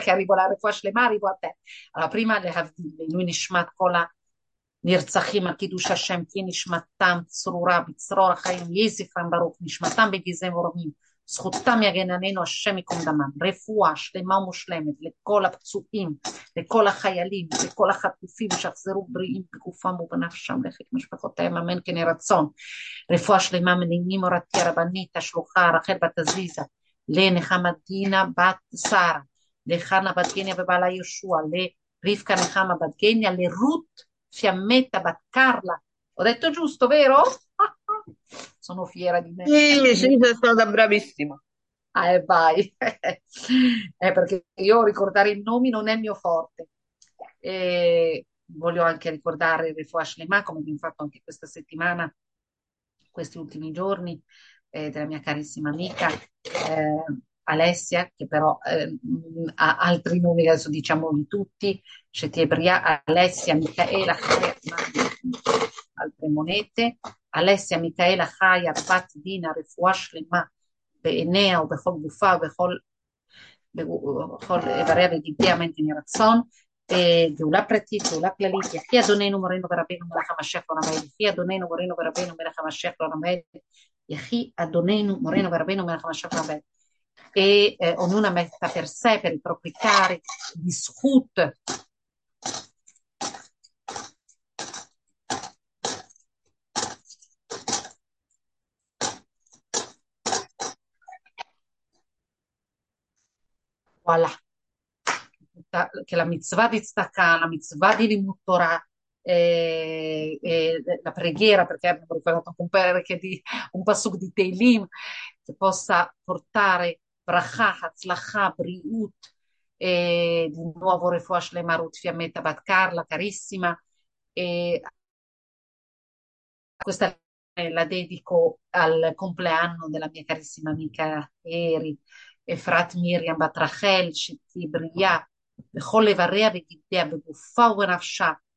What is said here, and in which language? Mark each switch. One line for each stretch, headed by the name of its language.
Italian: che arrivo la
Hebrew: refuah shlema,
Italian: arrivo a te. Allora, prima le
Hebrew: havdil, lui nishmat kol ha nirzachim al kiddush Hashem, ki nishmatam tzrura b'tzror ha'chaim, yei zichram baruch, nishmatam b'gezeim v'rohim, zchutam yagen aleinu Hashem ikom damam, refuah shlema ומושלמת לכל הפצועים, לכל החיילים, לכל החטופים שיחזרו בריאים בגופם ובנפשם, לחיק משפחותיהם, אמן כן יהי רצון. רפואה שלמה מנעימי מורתי הרבנית, השלוחה, רחל בת עזיזה, לנחמה דינה בת שרה, לחנה בת גניה ובעלה יהושע, לרבקה נחמה בת גניה, לרות פיאמטה בת קרלה.
Italian: Ho detto giusto, vero? Sono fiera di me. Sì, sei stata bravissima. E vai, perché io ricordare i nomi non è mio forte. E voglio anche ricordare il Refuah Shlemah, come vi ho fatto anche questa settimana, questi ultimi giorni, della mia carissima amica Alessia, che però ha altri nomi, adesso diciamoli tutti: Shetiebria, Alessia, Micaela, altre monete, Alessia, Micaela, Chaya, Bat, Dina, Refuah Shlemah.
Hebrew: בעיניה ובכל גופה ובכל איבריה וגידיה, אמן כן יהי רצון. גאולה פרטית, גאולה כללית, יחי אדוננו מורנו ורבינו מלך המשיח לעולמי, יחי אדוננו מורנו ורבינו מלך המשיח לעולמי, יחי אדוננו מורנו ורבינו מלך המשיח לעולמי.
Italian: E ognuna metta per sé, per i propri cari, di scut. Voilà. Che la mitzvah di tzedakah, la mitzvah di Limud Torah, la preghiera, perché abbiamo ricordato un passuk di Teilim, che possa portare bracha, hatzlacha, briut, di nuovo refuah shlemah, rut fiammeta bat Carla, carissima. Questa la dedico al compleanno della mia carissima amica Eri.
Hebrew: אפרת מרים בת רחל, שתהיה בריאה בכל איבריה וגידיה, בגופה ובנפשה.